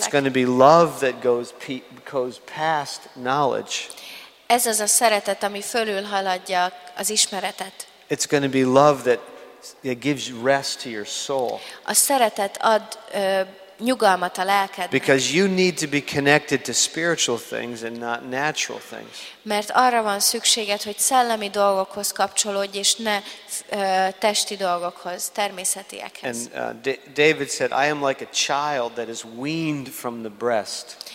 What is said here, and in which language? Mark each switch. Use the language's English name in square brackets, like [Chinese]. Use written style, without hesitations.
[English] It's going to be love that goes past knowledge. [Hungarian] Ez az a szeretet, ami fölül haladja az ismeretet. [English] It's going to be love that it gives rest to your soul. [Hungarian] A szeretet ad nyugalmat a lelkednek. [English] Because you need to be connected to spiritual things and not natural things. [Hungarian] Mert arra van szükséged, hogy szellemi dolgokhoz kapcsolódj, és ne testi dolgokhoz, természetiekhez. [English] And David said, I am like a child that is weaned from the breast.